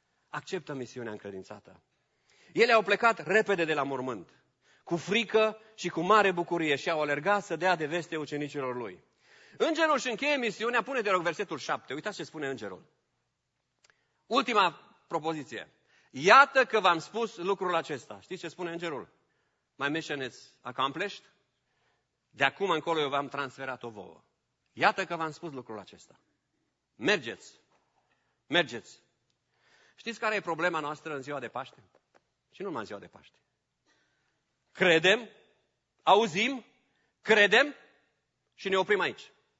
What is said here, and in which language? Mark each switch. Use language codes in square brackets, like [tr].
[ro] Acceptă misiunea încredințată. Ele au plecat repede de la mormânt, cu frică și cu mare bucurie și au alergat să dea de veste ucenicilor lui. Îngerul își încheie misiunea, pune de rog versetul 7, uitați ce spune îngerul. Ultima propoziție. Iată că v-am spus lucrul acesta. Știți ce spune îngerul? [en] My mission is accomplished. [ro] De acum încolo eu v-am transferat-o vouă. Iată că v-am spus lucrul acesta. Mergeți. Mergeți. Știți care e problema noastră în ziua de Paște? Și nu numai în ziua de Paște. Credem, auzim, credem și ne oprim aici.